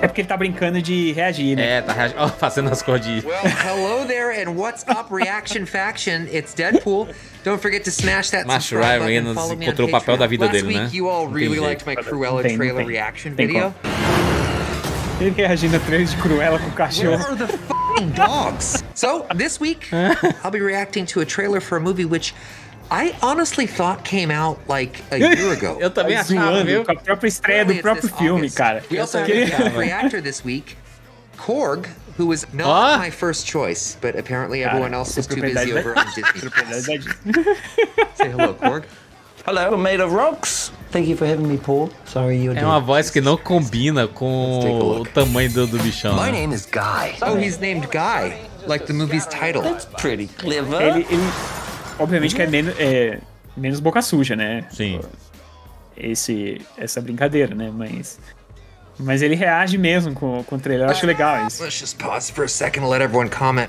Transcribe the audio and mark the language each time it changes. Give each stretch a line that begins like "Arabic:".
Portuguese: É porque ele tá brincando de reagir, né? É, tá reagindo. Oh, fazendo as cordinhas.
English: Well, hello there and what's up, Reaction Faction? It's Deadpool. Don't forget to smash that subscribe button.
Portuguese: Ryan Reynolds encontrou o papel da vida dele, né?
English: You all really liked my Cruella trailer reaction video.
Portuguese: Ele reagindo a trailer de Cruella com o cachorro.
English: Where are the f***ing dogs? So, this week, I'll be reacting to a trailer for a movie which I honestly thought came out like a year ago.
Portuguese: Eu também achava, viu? Com a própria estreia do próprio filme, cara.
English: We also have a reactor this week, Korg, who was not my first choice, but apparently everyone else was too busy over on Disney. Say hello, Korg. Hello, I'm made of rocks. Thank you for having me, Paul. Sorry you're doing.
Portuguese: É uma voz que não combina com o tamanho do bichão.
English: My name is Guy. So he's named Guy, like the movie's title. That's pretty clever.
Portuguese: Obviamente que é menos boca suja, né? Sim. Essa brincadeira, né? Mas ele reage mesmo com o trailer. Eu acho legal isso.
English: Let's just pause for a second and let everyone comment.